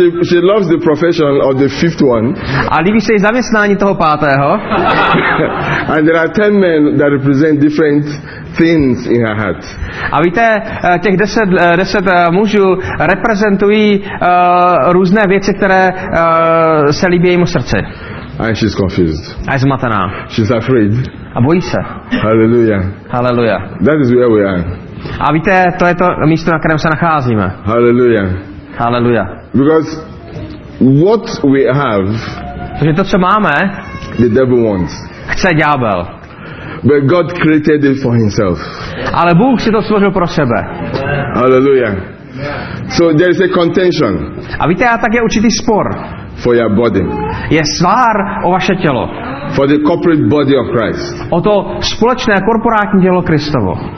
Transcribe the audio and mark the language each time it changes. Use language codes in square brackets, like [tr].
[en] She loves the profession of the fifth one. [cs] A líbí se jí zaměstnání toho pátého. [en] And there are 10 men that represent different things in her heart. [cs] A víte, těch 10 mužů reprezentují různé věci, které se líbí jejímu srdci. [en] And she's confused. [cs] A je zmatená. [en] She's afraid. [cs] A bojí se. [en] Hallelujah. Hallelujah. That is where we are. [cs] A víte, to je to místo, na kterém se nacházíme. [en] Hallelujah. Hallelujah. Because what we have, [cs] protože to, co máme, [en] the devil wants. [cs] Chce ďábel. [en] But God created it for himself. [cs] Ale Bůh si to složil pro sebe. [en] Hallelujah. So there is a contention. [cs] A víte, a tak je určitý spor. [en] For your body. [cs] Je svár o vaše tělo. [en] For the corporate body of Christ. [cs] O to společné korporátní tělo Kristovo.